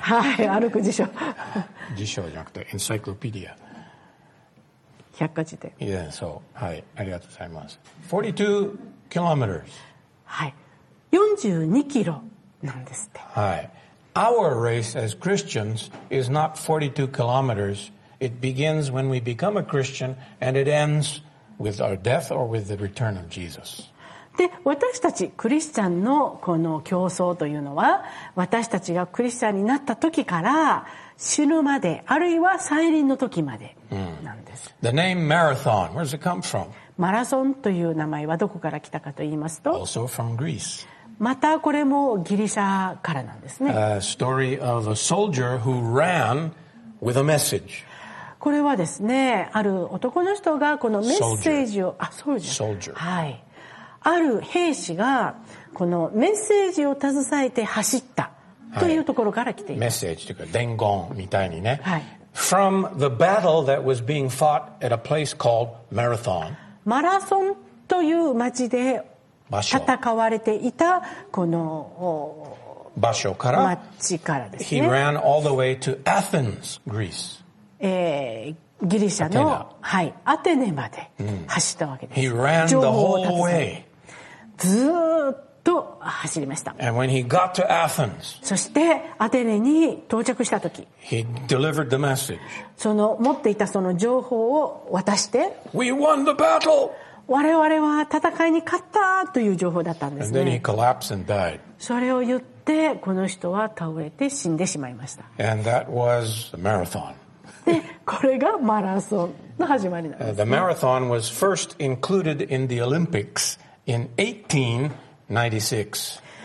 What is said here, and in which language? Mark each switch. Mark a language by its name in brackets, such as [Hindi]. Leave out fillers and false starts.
[Japanese] はい、歩く辞書。辞書じゃなくて、encyclopedia。百科事典。いや、そう。はい、ありがとうございます。 [English] 42 kilometers. [Japanese] はい、42キロなんですって。 [English] はい。Our race as Christians is not 42 kilometers. It begins when we become a Christian and it ends with our death or with the return of Jesus. [Japanese] で、私たちクリスチャンのこの競争というのは、私たちがクリスチャンになった時から死ぬまで、あるいは再臨の時までなんです。 [English] The name marathon, where does it come from? [Japanese] マラソンという名前はどこから来たかと言いますと、 [English] Also from Greece. [Japanese] またこれもギリシャからなんですね。 [English] A story of a soldier who ran with a message. [Japanese] これはですね、ある男の人がこのメッセージを、あ、ソルジャー。ソルジャー。はい。ある兵士がこのメッセージを携えて走ったというところから来ています。メッセージというか伝言みたいにね。はい。 [English] From the battle that was being fought at a place called Marathon. [Japanese] マラソンという町で戦われていたこの場所から、町からですね。 [English] He ran all the way to Athens, Greece. [Japanese] ギリシャの、はい、アテネまで走ったわけです。 [English] He ran the whole way. [Japanese] ずっと走りました。 [English] And when he got to Athens, [Japanese] そしてアテネに到着した時、 [English] he delivered the message. [Japanese] その持っていたその情報を渡して、 [English] We won the battle! [Japanese] 我々は戦いに勝ったという情報だったんですね。 [English] And then he collapsed and died. [Japanese] それを言ってこの人は倒れて死んでしまいました。 [English] And that was the marathon. [Japanese] で、これがマラソンの始まりなんです、ね。 [English] The marathon was first included in the Olympics in 1896.